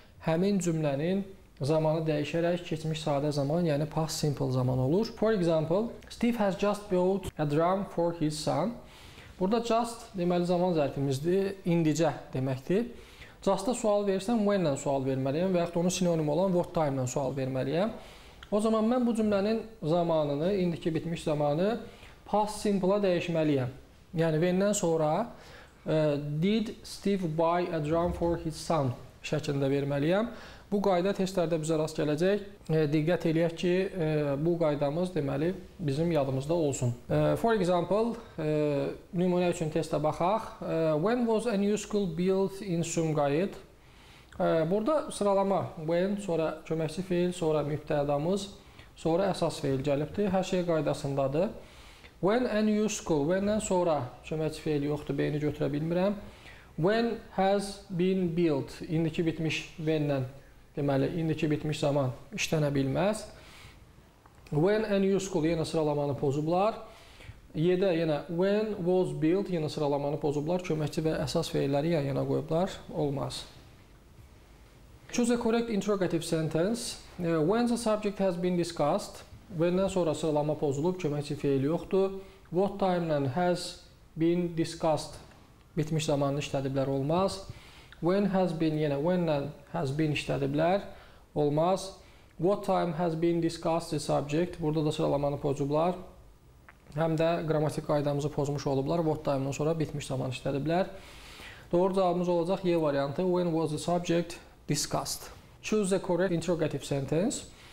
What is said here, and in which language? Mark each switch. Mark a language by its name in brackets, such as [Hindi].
[Azerbaijani] həmin cümlənin zamanı dəyişərək keçmiş sadə zaman, yəni past simple zaman olur. [English] For example, Steve has just built a drum for his son. [Azerbaijani] Burada just deməli zaman zərfimizdir, indicə deməkdir. Just-a sual versəm, when-lə sual verməliyəm və yaxud onun sinonimi olan what time-lə sual verməliyəm. O zaman mən bu cümlənin zamanını, indiki bitmiş zamanı past simple-a dəyişməliyəm. Yəni when-dən sonra [English] did Steve buy a drum for his son [Azerbaijani] şəklində verməliyəm. Bu qayda testlərdə bizə rast gələcək. Diqqət eləyək ki, bu qaydamız deməli bizim yadımızda olsun. [English] For example, [Azerbaijani] nümunə üçün testə baxaq. [English] When was a new school built in Sumqayıt? [Azerbaijani] Burada sıralama when, sonra köməkçi fiil, sonra mübtədamız, sonra əsas fiil gəlibdir. Hər şey qaydasındadır. When a new school, when-dən sonra köməkçi fiil yoxdur, beyni götürə bilmirəm. When has been built, indiki bitmiş when-dən. Deməli, indiki bitmiş zaman işlənə bilməz. When a new school, yenə sıralamanı pozublar. Yedə, yenə when was built, yenə sıralamanı pozublar. Köməkçi və əsas fiilləri yan-yana qoyublar, olmaz. [English] Choose a correct interrogative sentence. When the subject has been discussed, [Azerbaijani] when-dən sonra sıralama pozulub, köməkçi fiil yoxdur. [English] What time has been discussed, [Azerbaijani] bitmiş zamanını işlədiblər, olmaz. [English] When has been, yenə when has been [Azerbaijani] işlədiblər, olmaz. [English] What time has been discussed the subject, [Azerbaijani] burada da sıralamanı pozublar. Həm də qramatik qaydamızı pozmuş olublar, what time-dan sonra bitmiş zaman işlədiblər. Doğru cavabımız olacaq Y variantı, [English] when was the subject discussed. Choose the correct interrogative sentence.